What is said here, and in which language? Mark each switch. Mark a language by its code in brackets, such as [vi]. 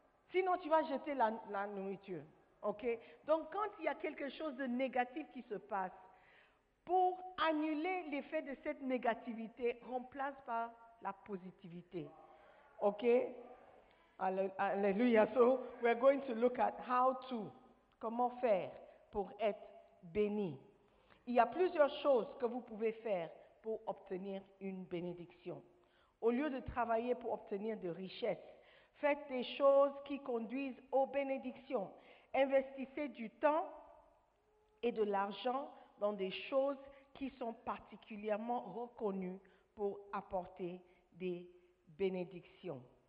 [fr] Sinon, tu vas jeter la nourriture. Okay? Donc, quand il y a quelque chose de négatif qui se passe, pour annuler l'effet de cette négativité, remplace par la positivité. Okay? Alléluia. [en] So we're going to look at how to. [fr] Comment faire pour être béni? Il y a plusieurs choses que vous pouvez faire pour obtenir une bénédiction. Au lieu de travailler pour obtenir des richesses, faites des choses qui conduisent aux bénédictions. Investissez du temps et de l'argent dans des choses qui sont particulièrement reconnues pour apporter des bénédictions.